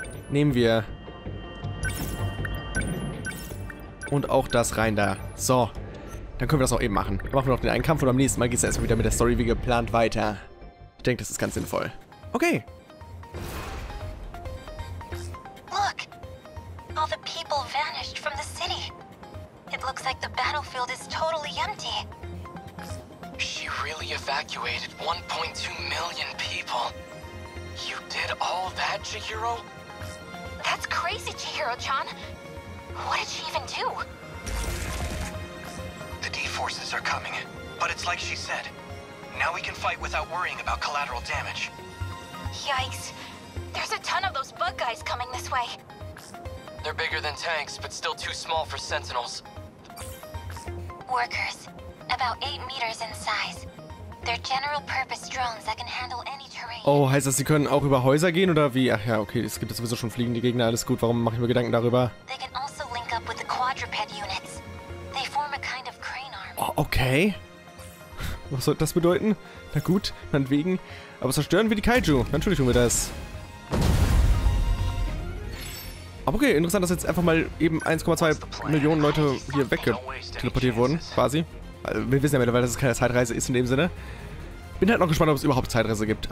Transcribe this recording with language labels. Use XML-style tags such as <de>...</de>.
<de>Nehmen wir. Und auch das rein da. So. Dann können wir das auch eben machen. Dann machen wir noch den einen Kampf und am nächsten Mal geht es erstmal wieder mit der Story wie geplant weiter. Ich denke, das ist ganz sinnvoll. Okay.</de> <en>Look! All the people vanished from the city. It looks like the battlefield is totally empty. She really evacuated 1.2 million people. You did all that, Chihiro? That's crazy, Chihiro-chan. What did she even do? The D forces are coming, but it's like she said. Now we can fight without worrying about collateral damage. Yikes. There's a ton of those bug guys coming this way. They're bigger than tanks, but still too small for sentinels. Workers. About 8 meters in size. They're general purpose drones that can handle any terrain.</en> <de>Oh, heißt das, sie können auch über Häuser gehen oder wie? Ach ja, okay, es gibt sowieso schon fliegende Gegner, alles gut. Warum mache ich mir Gedanken darüber?</de> <en>They can also link up with the quadruped units. They form a kind of crane arm.</en> <de>Oh, okay. Was soll das bedeuten? Na gut, meinetwegen. Aber zerstören wir die Kaiju. Natürlich tun wir das. Aber okay, interessant, dass jetzt einfach mal eben 1,2 Millionen Leute hier wegteleportiert wurden, quasi. Wir wissen ja mittlerweile, dass es keine Zeitreise ist in dem Sinne. Bin halt noch gespannt, ob es überhaupt Zeitreise gibt.</de>